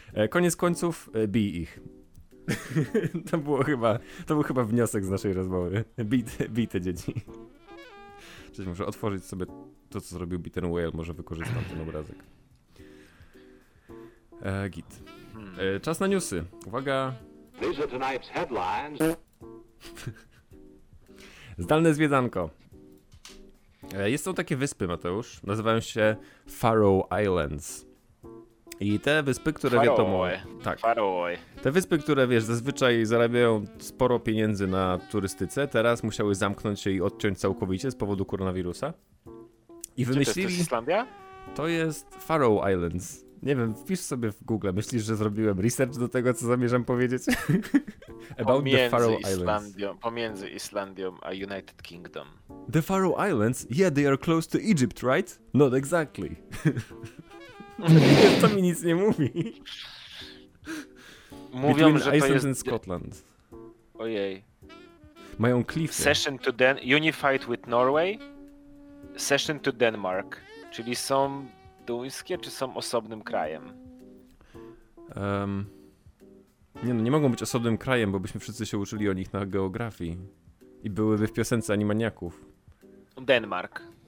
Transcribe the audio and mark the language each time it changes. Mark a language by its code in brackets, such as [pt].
[pl] Koniec końców, bij ich. To był chyba wniosek z naszej rozmowy. Bij te dzieci. Cześć, muszę otworzyć sobie to, co zrobił Beaten Whale. Może wykorzystam ten obrazek. Git. Czas na newsy. Uwaga. [en] These are tonight's headlines. [pl] Zdalne zwiedzanko. Jest to takie wyspy, Mateusz. Nazywają się Faroe Islands. I te wyspy, które wiadomo... Faroe. Te wyspy, które, wiesz, zazwyczaj zarabiają sporo pieniędzy na turystyce, teraz musiały zamknąć się i odciąć całkowicie z powodu koronawirusa. I wymyślili... To jest Islandia? To jest Faroe Islands. Nie wiem, wpisz sobie w Google. Myślisz, że zrobiłem research do tego, co zamierzam powiedzieć? [en] About [pl] pomiędzy the Faroe Islands. Pomiędzy Islandią a United Kingdom. [en] The Faroe Islands? Yeah, they are close to Egypt, right? Not exactly. [pl] To mi nic nie mówi. Mówią, [en] between [pl] że [en] Iceland [pl] to jest... [en] and Scotland. [pl] Ojej. Mają klify. [en] Session to unified with Norway. Session to Denmark. [pl] Czyli są duńskie, czy są osobnym krajem? Nie mogą być osobnym krajem, bo byśmy wszyscy się uczyli o nich na geografii. I byłyby w piosence Animaniaków. [en] Denmark.